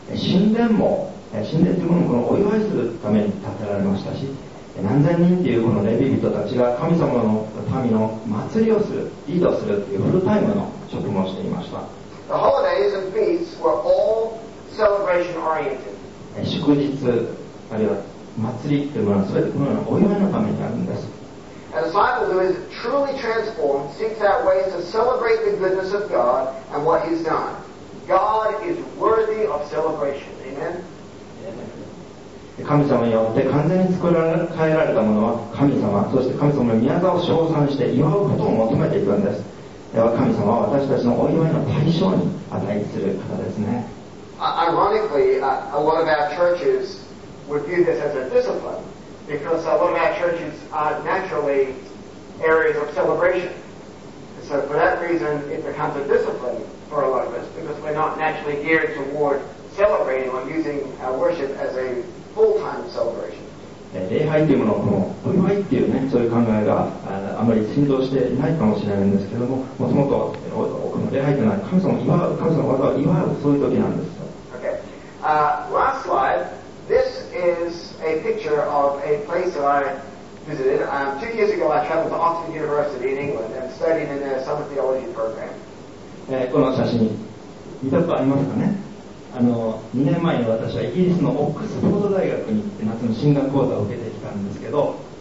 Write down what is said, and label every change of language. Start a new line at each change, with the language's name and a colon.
Japanese: 神殿も、神殿というものをこのお祝いするために建てられましたし、何千人というこのレビ人たちが神様の民の祭りをする、リードするというフルタイムの職務をしていました。
English: The holidays and feasts were all celebration oriented.
Japanese: 祝日、あるいは祭りというものは全てこのようなお祝いのためにあるんです。
English: A disciple who is truly transformed seeks out ways to celebrate the goodness of God and what He's done. God is worthy of celebration. Amen?
Japanese: 神様によって完全に作られ変えられたものは神様、そして神様の御業を称賛して祝うことを求めていくんです。では神様は私たちのお祝いの対象に値する方ですね。
English: Ironically, a lot of our churches would view this as a discipline. Because a lot of our churches are naturally areas of celebration. So for that reason, it becomes a discipline for a lot of us, because we're not naturally geared toward celebrating or using our worship as a full-time celebration.
Japanese: 礼拝というものをこのお祝いっていうね、そういう考えがあまり浸透していないかもしれないんですけども、もともと礼拝というのは神様を祝う、神様の技を祝う、そういう時なんです。
English: Okay. Last slide. This is a picture of a place that I visited. 2 years ago, I traveled to Oxford University in England and studied in their summer theology program.
Japanese: この写真見たことありますかね？2年前に私はイギリスのオックスフォード大学に行って夏の進学講座を受けてきたんですけど、